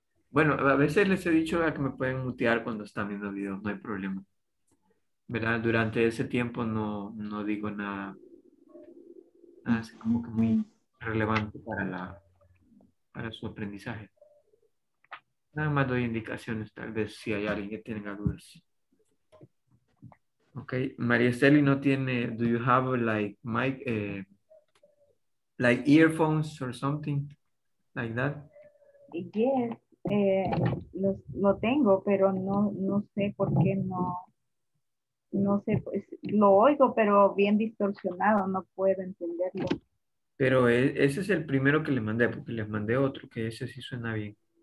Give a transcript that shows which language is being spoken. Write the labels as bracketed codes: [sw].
[es] Bueno, a veces les he dicho que me pueden mutear cuando están viendo videos, no hay problema. ¿Verdad? Durante ese tiempo no digo nada así como que muy relevante para su aprendizaje. Nada más doy indicaciones, tal vez si hay alguien que tenga dudas. [en] Ok, María Esteli [es] no tiene, [en] do you have like mic, like earphones or something like that? Yes. [es] Lo tengo, pero no sé por qué no sé, pues, lo oigo, pero bien distorsionado, no puedo entenderlo. Pero ese es el primero que le mandé, porque les mandé otro, que ese sí suena bien.